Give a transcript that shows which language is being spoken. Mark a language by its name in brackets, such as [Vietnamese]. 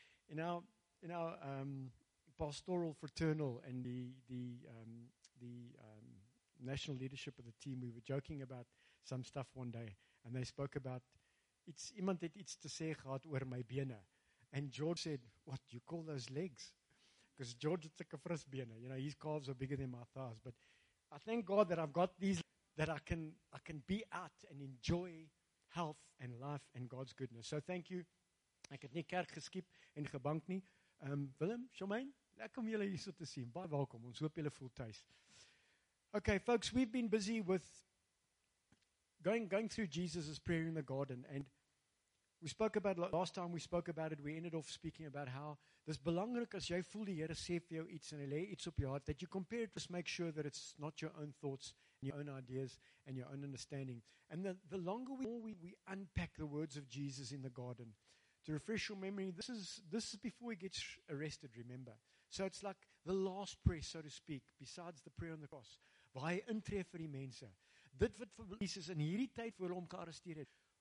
[English] In our pastoral fraternal and the national leadership of the team, we were joking about some stuff one day, and they spoke about it's [Afrikaans] iemand het iets te sê gehad oor my bene, [English] and George said, "What you call those legs?" Because George is like a [Afrikaans] fris bene, [English] you know, his calves are bigger than my thighs. But I thank God that I've got these that I can be out and enjoy health and life and God's goodness. So thank you. [Afrikaans] Ek het nie kerk geskiep en gebank nie. Willem, Charmaine, lekker om julle hier so te sien. Baie welkom, ons hoop julle voel thuis. [English] Okay, folks, we've been busy with going through Jesus' prayer in the garden. And we spoke about, last time we spoke about it, we ended off speaking about how [Afrikaans] dis belangrik as jy voel die Here sê vir jou iets en hy lê iets op jou hart, [English] that you compare it, just make sure that it's not your own thoughts, and your own ideas, and your own understanding. And the longer we unpack the words of Jesus in the garden, to refresh your memory, this is before he gets arrested, remember. So it's like the last prayer, so to speak, besides the prayer on the cross. [Afrikaans] Waar hy intree vir die mense. Dit wat vir Jesus in hierdie tyd voor hom gearresteer het,